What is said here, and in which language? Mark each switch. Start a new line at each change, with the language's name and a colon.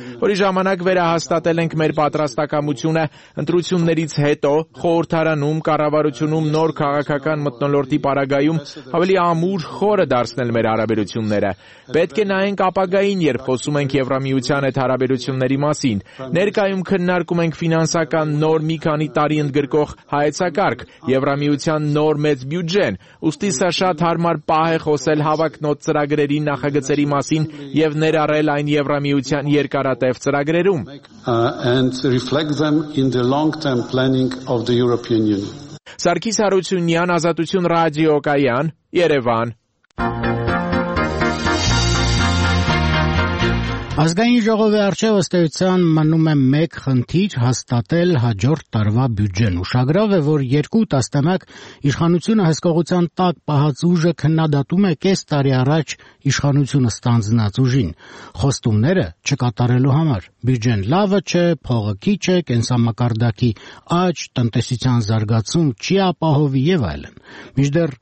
Armenian: որի ժամանակ վերահաստատել ենք մեր պատրաստակամությունը ընտրություններից հետո խորհրդարանում, կառավարությունում, նոր քաղաքական մտնոլորտի պարագայում ավելի ամուր խորը դարձնել մեր հարաբերությունները։ Պետք է նայենք ապագային, երբ խոսում ենք Եվրամիության հետ հարաբերությունների մասին։ Ներկայում քննարկում ենք ֆինանսական նոր մի քանի տարի ընդգրկող հայեցակարգ, Եվրամիության նոր մեծ բյուջեն, ուստի սա շատ հարմար պահ է խոսել հավակնոտ ծրագրերի նախագծերի մասին եւ ներառել այն Եվրամիության երկարատև ծրագրերում։
English: And reflect them in the long-term planning of the European Union.
Armenian: Սարգիս Հարությունյան, Ազատություն ռադիո Կայան, Երևան։ Ազգային ժողովի առջև ըստ էության մնում է մեկ խնդիր՝ հաստատել հաջորդ տարվա բյուջեն։ Ուշագրավ է, որ երկու տասնամյակ իշխանությունը հսկողության տակ պահած ուժը քննադատում է կես տարի առաջ իշխանությունը ստանձնած ուժին, խոստումները չկատարելու համար։ Բյուջեն լավը չէ, փողը քիչ է, կենսամակարդակի աճ, տնտեսության զարգացում չի ապահովի եւ այլն։